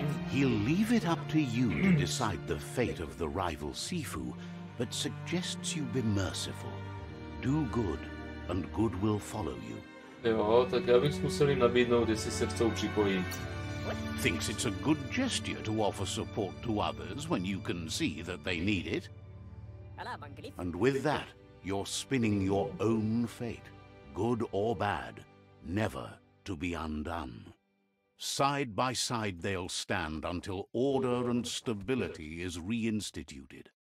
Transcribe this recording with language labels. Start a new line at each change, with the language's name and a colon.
English: He'll leave it up to you to decide the fate of the rival Sifu, but suggests you be merciful. Do good, and good will follow you.
Czech: Jo, tak já bych zkusil jim nabídnout, jestli se chcou připojit.
English: Thinks it's a good gesture to offer support to others when you can see that they need it. And with that, you're spinning your own fate, good or bad, never to be undone. Side by side they'll stand until order and stability is reinstituted.